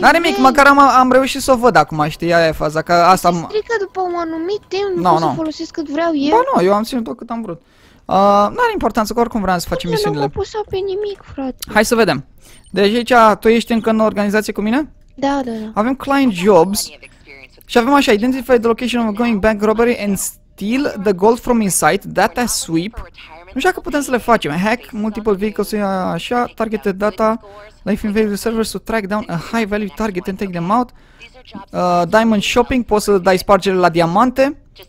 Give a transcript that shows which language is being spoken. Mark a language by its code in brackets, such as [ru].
[ro] N-are nimic, măcar am reușit să o văd acum, știi, aia e faza, că asta... Se strică după un anumit timp, nu pot să folosesc cât vreau eu. Ba nu, eu am ținut-o cât am vrut. N-are importanță, că oricum vreau să facem misiunile. N-am apăsat pe nimic, frate. Hai să vedem. Deci aici, tu ești încă în organizație cu mine? Da. Avem client jobs. Și avem așa, [en] identify the location of going bank robbery and steal the gold from inside, data sweep. [ro] Nu știu dacă putem să le facem. [en] Hack, multiple vehicles, așa, targeted data, life invaders servers to track down a high value target and take them out. [ro] Diamond shopping, poți să dai spargere la diamante.